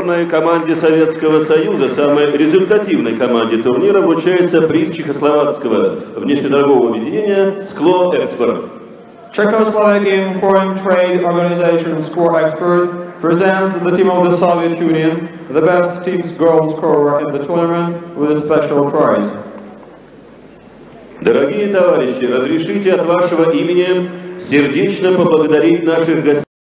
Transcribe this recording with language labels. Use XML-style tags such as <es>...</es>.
<ru>Команде Советского Союза, самой результативной команде турнира, вручается приз чехословацкого внешнедорогового объединения «Скло Эксперт».</ru> <en>Czechoslovakian Foreign Trade Organization Score Expert presents the team of the Soviet Union, the best team's goal scorer in the tournament, with a special prize.</en> <ru>Дорогие товарищи, разрешите от вашего имени сердечно поблагодарить наших гостей.</ru>